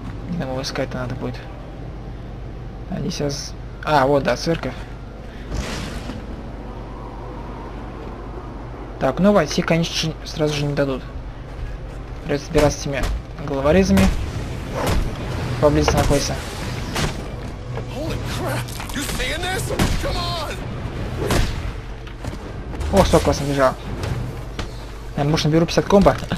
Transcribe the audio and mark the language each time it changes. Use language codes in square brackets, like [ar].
[ru] Не знаю, его искать-то надо будет. Они сейчас... А, вот, да, церковь. Так, ну, войти, конечно же, сразу же не дадут. Придется собираться с этими головорезами. Поблизости находится. [en] Holy crap. You seeing this? Come on! [ru] О, сколько классно бежал. Я, может, наберу 50 комбо?